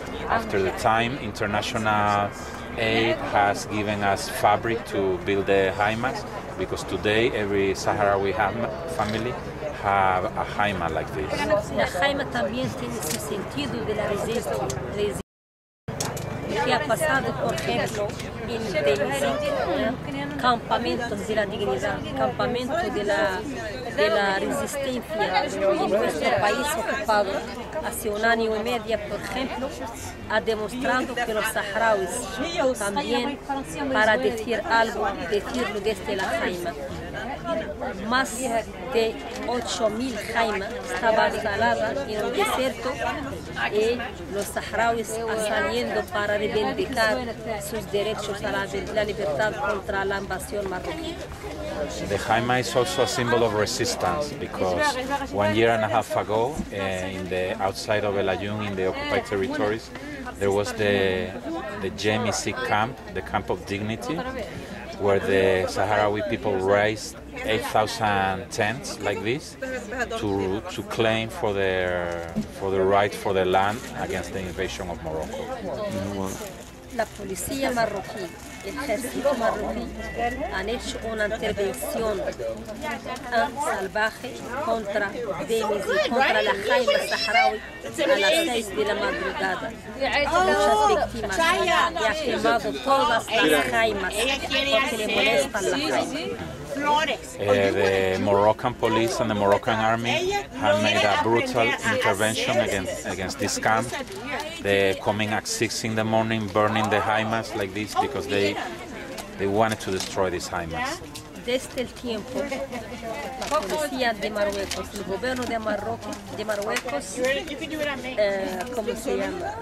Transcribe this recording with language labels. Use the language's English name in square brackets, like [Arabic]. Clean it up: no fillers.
[English] After the time, international aid has given us fabric to build the jaimas, because today every Sahrawi family have a jaima like this. [Spanish] La jaima también tiene su sentido de la resistencia. Que ha pasado, por ejemplo, en campamentos de la dignidad, campamentos de la resistencia en nuestro país ocupado. Hace un año y medio, por ejemplo, ha demostrado que los saharauis también, para decir algo, decirlo desde la jaima. Más de 8.000 jaimas estaban instaladas en el desierto y los saharauis han salido para reivindicar sus derechos a la libertad contra la invasión marroquí. [English] The jaima is also a symbol of resistance, because 1 year and a half ago, in the outside of El Ayun, in the occupied territories, there was the JMEC camp, the camp of dignity, where the Sahrawi people raised 8,000 tents like this to claim for the right for the land against the invasion of Morocco. [Spanish] La policía marroquí, el ejército marroquí, han hecho una intervención salvaje contra DMZ, contra la jaima saharaui a las 6 de la madrugada. Muchas víctimas y ha quemado todas las jaimas porque le molestan la jaima. [English] The Moroccan police and the Moroccan army have made a brutal intervention against this camp. They're coming at 6 in the morning, burning the jaimas like this, because they wanted to destroy these jaimas. [Spanish] Desde el tiempo, la policía de Marruecos, el gobierno de Marruecos, ¿cómo se llama?